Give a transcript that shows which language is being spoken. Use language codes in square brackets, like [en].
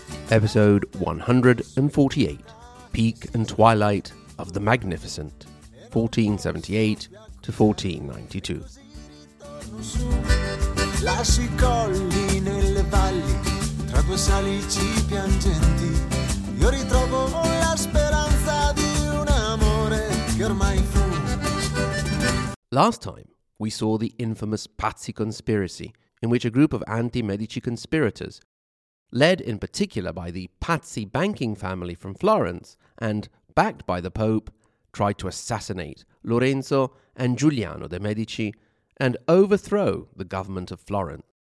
[en] Episode 148, Peak and Twilight of the Magnificent, 1478 to 1492. [it] Lasci I colli nelle valli, tra due salici piangenti. Io ritrovo la speranza di un amore che ormai fu. [en] Last time, we saw the infamous Pazzi conspiracy, in which a group of anti-Medici conspirators, led in particular by the Pazzi banking family from Florence and backed by the Pope, tried to assassinate Lorenzo and Giuliano de' Medici and overthrow the government of Florence.